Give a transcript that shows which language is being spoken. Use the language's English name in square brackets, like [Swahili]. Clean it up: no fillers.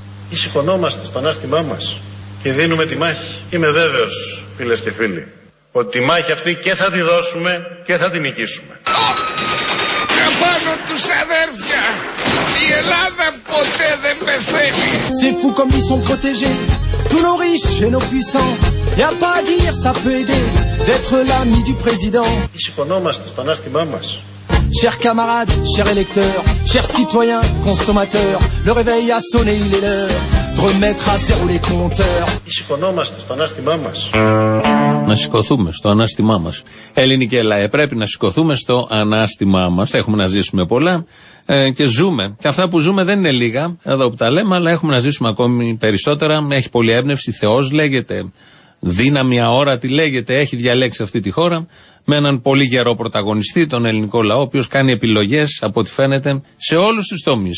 [Greek] ή σηκωνόμαστε στο ανάστημά μας και δίνουμε τη μάχη. Είμαι βέβαιος, φίλες και φίλοι, ότι τη μάχη αυτή και θα τη δώσουμε και θα τη νικήσουμε. Πάνω τους αδέρφια, η Ελλάδα ποτέ δεν πεθαίνει. [French] C'est fou comme ils sont protégés, tous nos riches et nos puissants. Y'a pas à dire, ça peut aider d'être l'ami du président. [Greek] Ή συμφωνόμαστε στον άστημά μας. [French] Chers camarades, chers électeurs, chers citoyens, consommateurs, le réveil a sonné, il est l'heure. remettre à zéro les compteurs. [Greek] Σηκωνόμαστε στο ανάστημά μας. Να σηκωθούμε στο ανάστημά μας. Ελληνική Ελλάδα, πρέπει να σηκωθούμε στο ανάστημά μας. Έχουμε να ζήσουμε πολλά και ζούμε. Και αυτά που ζούμε δεν είναι λίγα, εδώ που τα λέμε, αλλά έχουμε να ζήσουμε ακόμη περισσότερα. Έχει πολλή έμπνευση, Θεός λέγεται, δύναμη αόρατη λέγεται, έχει διαλέξει αυτή τη χώρα με έναν πολύ γερό πρωταγωνιστή, τον ελληνικό λαό, ο οποίος κάνει επιλογές, από ό,τι φαίνεται, σε όλους τους τομείς.